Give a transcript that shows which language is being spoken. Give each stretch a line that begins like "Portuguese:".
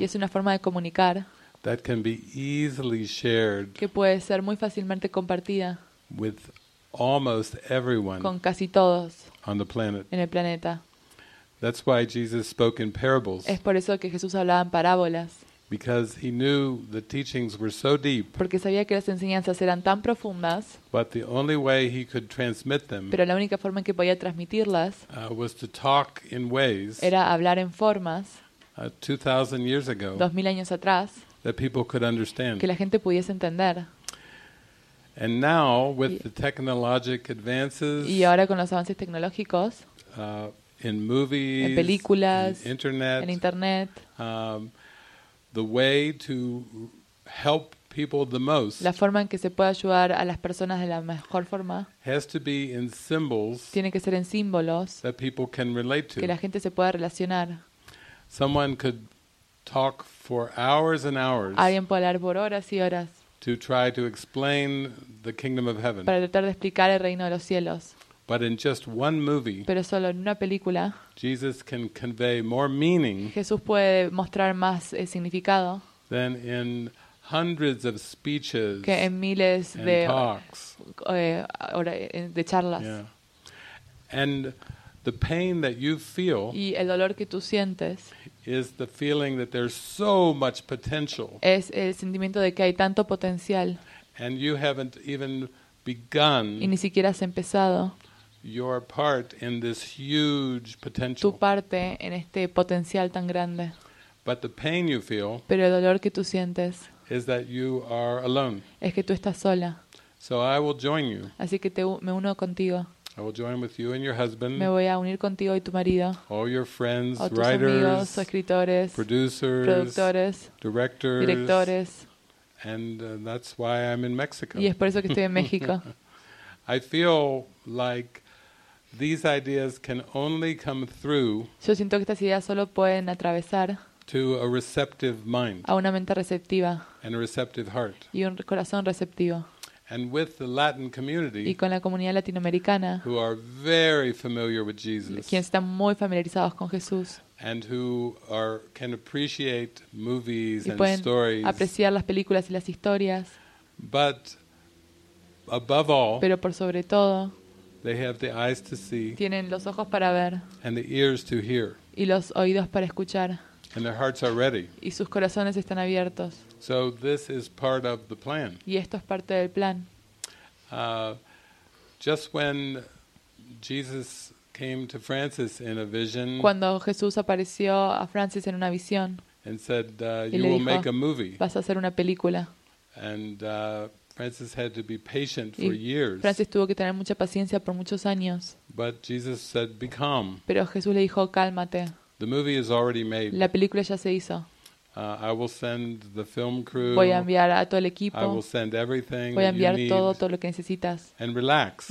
Spanish: Y es una forma de comunicar.
English: That can be easily shared.
Spanish: Que puede ser muy fácilmente compartida.
English: With almost everyone.
Spanish: Con casi todos.
English: On the planet.
Spanish: En el planeta.
English: That's why Jesus spoke in parables.
Spanish: Es por eso que Jesús hablaba en parábolas.
English: Because he knew the teachings were so deep.
Spanish: Porque sabía que las enseñanzas eran tan profundas.
English: But the only way he could transmit them.
Spanish: Pero la única forma en que podía transmitirlas.
English: Was to talk in ways.
Spanish: Era hablar en formas.
English: 2,000 years ago.
Spanish: 2,000 años atrás.
English: That people could understand.
Spanish: Que la gente pudiese entender.
English: And now with the technological advances.
Spanish: Y ahora con los avances tecnológicos.
English: In movies.
Spanish: En películas.
English: In internet.
Spanish: En internet.
English: The way to help people the most.
Spanish: La forma en que se puede ayudar a las personas de la mejor forma.
English: Has to be in symbols.
Spanish: Tiene que ser en símbolos.
English: That people can relate to.
Spanish: Que la gente se pueda relacionar.
English: Someone could talk for hours and hours.
Spanish: Alguien puede hablar por horas y horas.
English: To try to explain the kingdom of heaven.
Spanish: Para tratar de explicar el reino de los cielos.
English: But in just one movie.
Spanish: Pero solo en una película.
English: Jesus can convey more meaning.
Spanish: Jesús puede mostrar más significado.
English: Than in hundreds of speeches.
Spanish: Que en miles
English: and
Spanish: de
English: talks.
Spanish: De charlas.
English: Yeah. And the pain that you feel.
Spanish: Y el dolor que tú sientes.
English: Is the feeling that there's so much potential.
Spanish: Es el sentimiento de que hay tanto potencial.
English: And you haven't even begun.
Spanish: Y ni siquiera has empezado.
English: Your part in this huge potential.
Spanish: Tu parte en este potencial tan grande.
English: But the pain you feel.
Spanish: Pero el dolor que tú sientes.
English: Is that you are alone.
Spanish: Es que tú estás sola.
English: So I will join you.
Spanish: Así que me uno contigo.
English: I will join with you and your husband.
Spanish: Me voy a unir contigo y tu marido.
English: All your friends,
Spanish: tus
English: writers,
Spanish: amigos, escritores,
English: producers,
Spanish: productores,
English: directors,
Spanish: directores.
English: And that's why I'm in Mexico.
Spanish: Y es por eso que estoy en México.
English: I feel like these ideas can only come through.
Spanish: Yo siento que estas ideas solo pueden atravesar.
English: To a receptive mind.
Spanish: A una mente receptiva.
English: And a receptive heart.
Spanish: Y un corazón receptivo.
English: And with the Latin community,
Spanish: y con la comunidad latinoamericana,
English: who are very familiar with Jesus,
Spanish: quienes están muy familiarizados con Jesús,
English: and who are can appreciate movies
Spanish: y pueden
English: and stories,
Spanish: apreciar las películas y las historias,
English: but above all,
Spanish: pero por sobre todo,
English: they have the eyes to see,
Spanish: tienen los ojos para ver,
English: and the ears to hear,
Spanish: y los oídos para escuchar,
English: and their hearts are ready,
Spanish: y sus corazones están abiertos.
English: So this is part of the plan.
Spanish: Y esto es parte del plan.
English: Just when Jesus came to Francis in a vision.
Spanish: Cuando Jesús apareció a Francis en una visión.
English: And said you will make a movie.
Spanish: Vas a hacer una película.
English: And Francis had to be patient for years.
Spanish: Francis tuvo que tener mucha paciencia por muchos años.
English: But Jesus said be calm.
Spanish: Pero Jesús le dijo cálmate.
English: The movie is already made.
Spanish: La película ya se hizo.
English: I will send the film crew.
Spanish: Voy a enviar a todo el equipo.
English: I will send everything.
Spanish: Voy a enviar
English: you need
Spanish: todo lo que necesitas.
English: And relax.